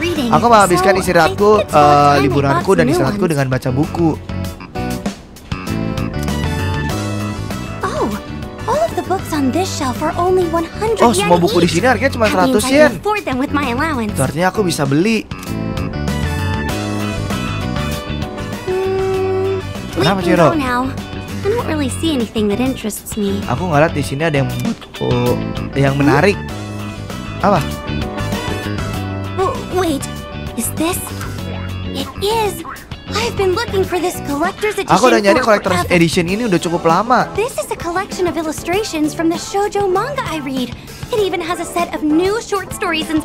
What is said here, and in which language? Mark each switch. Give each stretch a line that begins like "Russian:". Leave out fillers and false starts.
Indonesian: Aku menghabiskan istirahatku, liburanku dan istirahatku dengan baca buku.
English: Oh, all of the books on this shelf are only 100 yen.
Indonesian: Oh, semua buku di sini harganya cuma 100 yen. Artinya aku bisa beli. Kenapa Ciro?
English: I don't really see anything that interests me.
Indonesian: Aku nggak lihat di sini ada yang membuatku yang menarik. Apa?
English: Wait, is this? It is. I've been looking for this collector's edition.
Indonesian: Aku udah nyari collector's edition ini udah cukup lama.
English: This is a collection of illustrations from the shoujo manga I read. It even has a set of new short stories and.